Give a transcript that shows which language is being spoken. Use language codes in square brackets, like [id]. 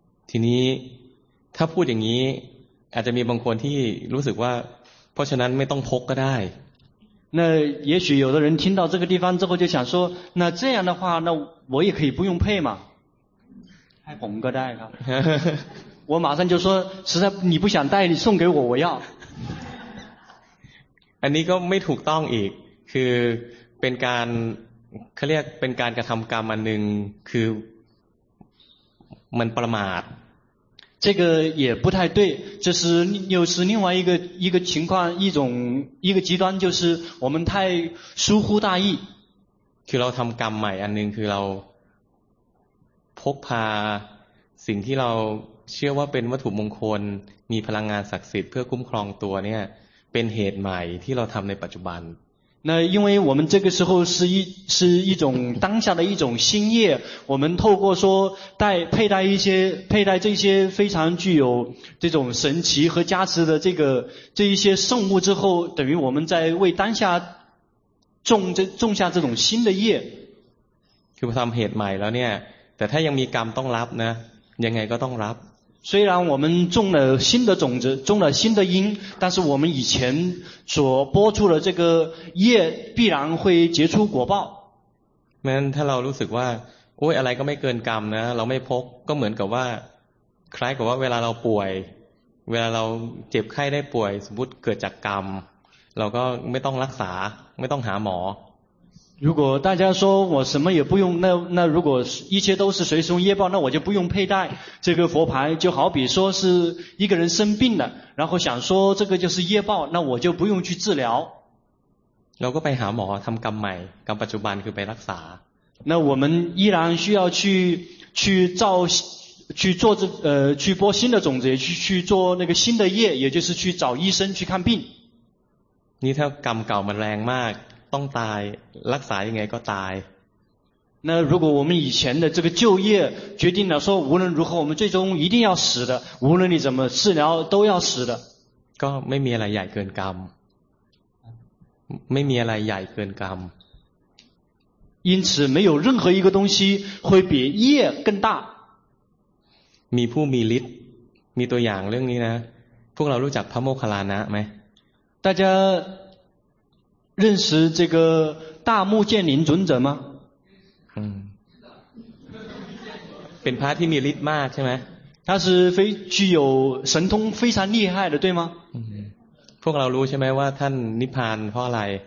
[th] ทีนี้ถ้าพูดอย่างนี้อาจจะมีบางคนที่รู้สึกว่าเพราะฉะนั้นไม่ต้องพกก็ได้ [zh] 那也许有的人听到这个地方之后就想说那这样的话那我也可以不用配嘛还红个带啊我马上就说实在你不想带你送给我我要 [th] อันนี้ก็ไม่ถูกต้องอีกคือเป็นการเขาเรียกเป็นการกระทำกรรมอันหนึ่งคือ 们ประมาท [zh] 这个也不太对，这是又是另外一个情况，一种一个极端，就是我们太疏忽大意。 [th] คือเราทำกรรมใหม่อันหนึ่งคือเราพกพาสิ่งที่เราเชื่อว่าเป็นวัตถุมงคลมีพลังงานศักดิ์สิทธิ์เพื่อคุ้มครองตัวเนี่ยเป็นเหตุใหม่ที่เราทำในปัจจุบัน [zh] 那因为我们这个时候是一种当下的一种新业，我们透过说佩戴这些非常具有这种神奇和加持的这一些圣物之后，等于我们在为当下种下这种新的业。 [th] คือทำเหตุใหม่แล้วเนี่ยแต่ถ้ายังมีกรรมต้องรับนะยังไงก็ต้องรับ [zh] 虽然我们种了新的种子，种了新的因，但是我们以前所播出的这个业必然会结出果报。 [th] 那ถ้าเรารู้สึกว่าโอ้ยอะไรก็ไม่เกินกรรมนะเราไม่พกก็เหมือนกับว่าคล้ายกับว่าเวลาเราป่วยเวลาเราเจ็บไข้ได้ป่วยสมมติเกิดจากกรรมเราก็ไม่ต้องรักษาไม่ต้องหาหมอ [zh] 如果大家说我什么也不用，那如果一切都是随顺业报，那我就不用佩戴这个佛牌。就好比说是一个人生病了，然后想说这个就是业报，那我就不用去治疗。 [th] เราก็ไปหาหมอทำกรรมใหม่กรรมปัจจุบันคือไปรักษา。 [zh] 那我们依然需要去播新的种子，去做那个新的业，也就是去找医生去看病。 [th] นี่ถ้ากรรมเก่ามันแรงมากต้องตายรักษายังไงก็ตาย [zh] 那如果我们以前的这个旧业决定了说无论如何我们最终一定要死的无论你怎么治疗都要死的 [th] ก็ไม่มีอะไรใหญ่เกินกรรมไม่มีอะไรใหญ่เกินกรรม [zh] 因此没有任何一个东西会比业更大 [th] มีผู้มีฤทธิ์มีตัวอย่างเรื่องนี้นะพวกเรารู้จักพระโมคคัลลานะไหม [zh] 大家认识这个大目犍连尊者吗？ [th] เป็นพระที่มีฤทธิ์มากใช่ไหม？ [zh] 他是非具有神通非常厉害的，对吗？ [th] พวกเรารู้ใช่ไหมว่าท่านนิพพานเพราะอะไร？